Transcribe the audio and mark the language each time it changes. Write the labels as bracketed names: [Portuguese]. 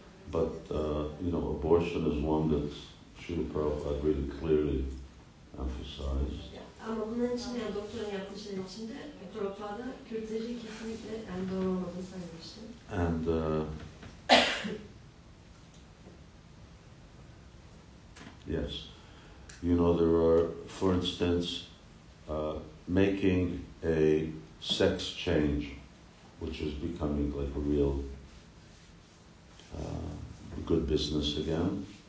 [English] But, you know, abortion is one that Srila Prabhupada really clearly emphasized. [Turkish] Ama bunun için yani doktorun yaklaşımı için de Prabhupada kürtajı kesinlikle yani doğru olmadığını söylemişti. [English] And yes, you know there are, for instance, making a sex change, which is becoming like a real good business again.